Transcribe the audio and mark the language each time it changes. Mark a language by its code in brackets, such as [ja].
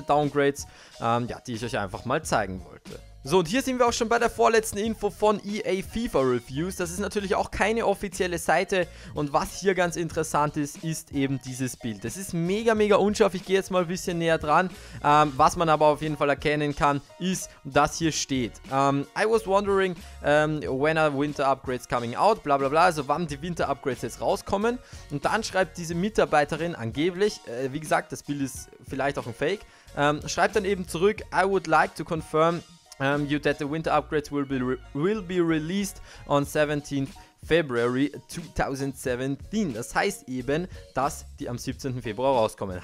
[de] Downgrades, ja, die ich euch einfach mal zeigen wollte. So, und hier sind wir auch schon bei der vorletzten Info von EA FIFA Reviews. Das ist natürlich auch keine offizielle Seite und was hier ganz interessant ist, ist eben dieses Bild. Das ist mega, mega unscharf. Ich gehe jetzt mal ein bisschen näher dran. Was man aber auf jeden Fall erkennen kann, ist, dass hier steht. [en] I was wondering when are winter upgrades coming out, [de] bla bla bla, also wann die winter upgrades jetzt rauskommen. Und dann schreibt diese Mitarbeiterin angeblich, wie gesagt, das Bild ist vielleicht auch ein Fake, schreibt dann eben zurück, [en] I would like to confirm you that the winter upgrades will be released on 17th February 2017. [de] Das heißt eben, dass die am 17. Februar rauskommen.